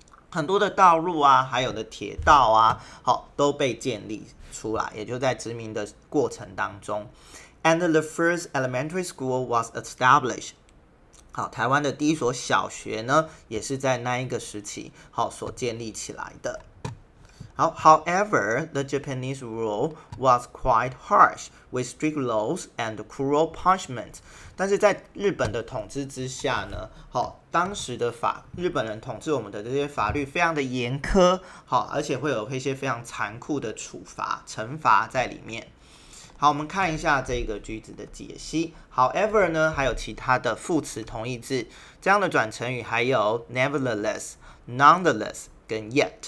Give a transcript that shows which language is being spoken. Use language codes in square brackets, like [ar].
[zh] 很多的道路啊，还有的铁道啊，好，都被建立出来，也就在殖民的过程当中。 [en] And the first elementary school was established。 [zh] 好，台湾的第一所小学呢，也是在那一个时期，好，所建立起来的。 [en] 好，However, the Japanese rule was quite harsh, with strict laws and cruel punishments。 [zh] 但是在日本的统治之下呢，好，当时的日本人统治我们的这些法律非常的严苛，好，而且会有一些非常残酷的处罚、惩罚在里面。好，我们看一下这个句子的解析。 However 呢，还有其他的副词同义字，这样的转成语，还有 nevertheless、nonetheless 跟 yet。